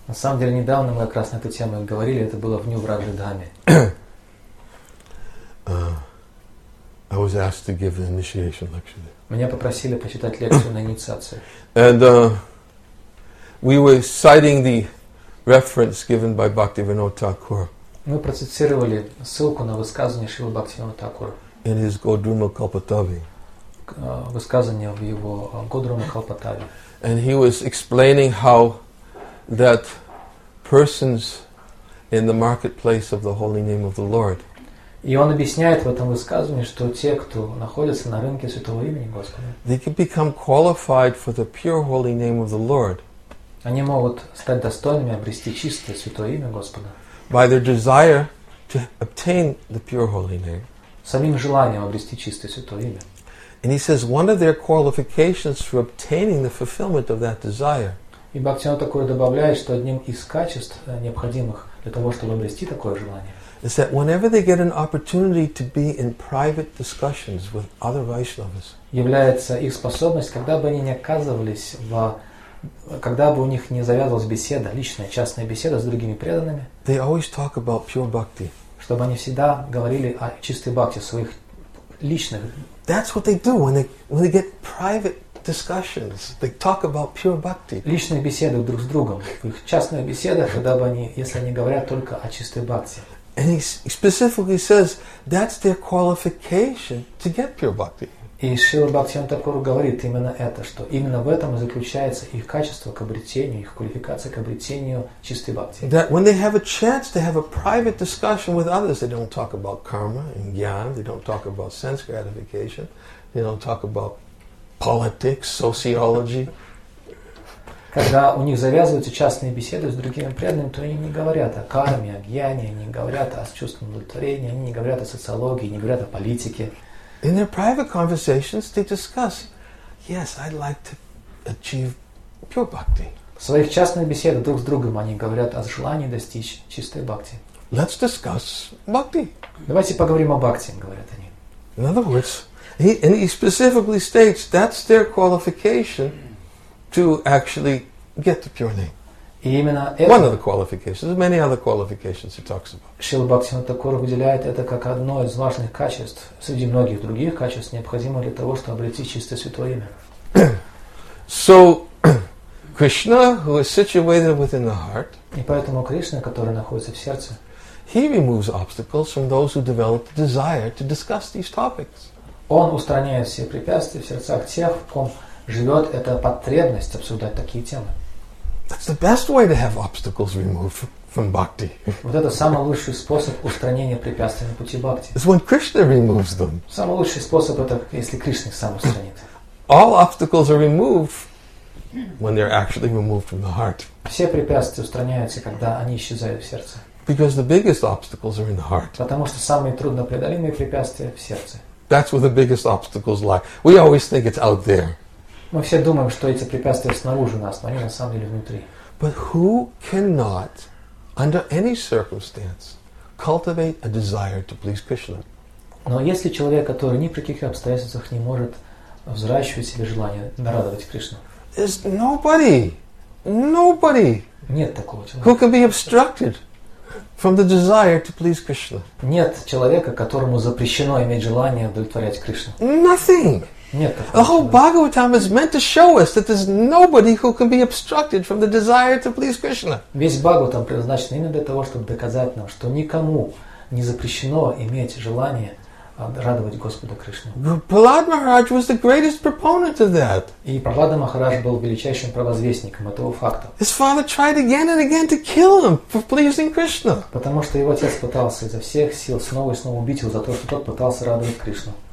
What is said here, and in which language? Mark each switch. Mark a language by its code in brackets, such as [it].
[ru] На самом деле недавно мы как раз на эту тему говорили. Это было в New Rajadham. [en] I was asked to give an initiation lecture there. [ru] Меня попросили почитать лекцию на инициации. [en] And we were citing the reference given by Bhaktivinoda Thakur [ru] Мы процитировали ссылку на высказывание Шрилы Бхактивинода Тхакура. [en] In his Godruma Kalpatavi. [ru] Высказывание в его Godruma Kalpatavi. [en] And he was explaining how that persons in the marketplace of the holy name of the Lord. [ru] И он объясняет в этом высказывании, что те, кто находится на рынке святого имени Господа, [en] they can become qualified for the pure holy name of the Lord. [ru] Они могут стать достойными обрести чистое святое имя Господа. [en] By their desire to obtain the pure holy name. [ru] Самим желанием обрести чистое святое имя. [en] And he says one of their qualifications for obtaining the fulfillment of that desire. [ru] И Бхактина такое добавляет, что одним из качеств необходимых для того, чтобы обрести такое желание. [en] Is that whenever they get an opportunity to be in private discussions with other Vaishnavas. [ru] Является их способность, когда бы они ни оказывались в когда бы у них не завязывалась беседа, личная, частная беседа с другими преданными. [en] They always talk about pure bhakti. [ru] Чтобы они всегда говорили о чистой бхакти, своих личных. [en] That's what they do when they get private discussions. They talk about pure bhakti. [ru] Личные беседы друг с другом. В их частных беседах, когда бы они, если они говорят только о чистой бхакти. [en] And he specifically says that's their qualification to get pure bhakti. [ru] И Шрила Бхактивинода Тхакура говорит именно это, что именно в этом и заключается их качество к обретению, их квалификация к обретению чистой бхакти. [en] That when they have a chance to have a private discussion with others, they don't talk about karma and jnana, they don't talk about sense gratification, they don't talk about politics, sociology. [ru] Когда у них завязываются частные беседы с другими преданными, то они не говорят о карме, о гьяне, они не говорят о чувстве удовлетворения, они не говорят о социологии, не говорят о политике. [en] In their private conversations, they discuss, "Yes, I'd like to achieve pure bhakti." [ru] В своих частных беседах друг с другом они говорят о желании достичь чистой бхакти. [en] Let's discuss bhakti. [ru] Давайте поговорим о бхакти, говорят они. [en] In other words, he specifically states that's their qualification to actually get the pure name. [ru] И именно [en] one of the qualifications. There's many other qualifications he talks about. [ru] Шрила Бхактивинода Тхакура выделяет это как одно из важных качеств среди многих других качеств, необходимых для того, чтобы обрести чистое святое имя. [en] So, Krishna, who is situated within the heart, [ru] и поэтому Кришна, который находится в сердце, [en] he removes obstacles from those who develop the desire to discuss these topics. [ru] Он устраняет все препятствия в сердцах тех, в ком живет эта потребность обсуждать такие темы. [en] That's the best way to have obstacles removed from bhakti. [ru] Вот это самый лучший способ устранения препятствий на пути бхакти. [en] It's when Krishna removes them. [ru] Самый лучший способ это если Кришна их сам устранит. [en] All obstacles are removed when they're actually removed from the heart. [ru] Все препятствия устраняются, когда они исчезают в сердце. [en] Because the biggest obstacles are in the heart. [ru] Потому что самые труднопреодолимые препятствия в сердце. [en] That's where the biggest obstacles lie. We always think it's out there. [ru] Мы все думаем, что эти препятствия снаружи нас, но они на самом деле внутри. [en] But who cannot, under any circumstance, cultivate a desire to please Krishna? [ru] Но есть ли человек, который ни при каких обстоятельствах не может взращивать себе желание нарадовать Кришну? [en] There's nobody, nobody. [ru] Нет такого человека. [en] Who can be obstructed from the desire to please Krishna? [ru] Нет человека, которому запрещено иметь желание удовлетворять Кришну. [en] Nothing. The whole Bhagavatam is meant to show us that there's nobody who can be obstructed from the desire to please Krishna. [ru] Весь Бхагаватам предназначен именно для того, чтобы доказать нам, что никому не запрещено иметь желание радовать Господа Кришну. [en] Prahlad Maharaj was the greatest proponent of that. [ru] И Прахлада Махарадж был величайшим провозвестником этого факта. [en] His father tried again and again to kill him for pleasing Krishna. [ru] Потому что его отец пытался изо всех сил снова и снова убить его за то, что тот пытался радовать Кришну.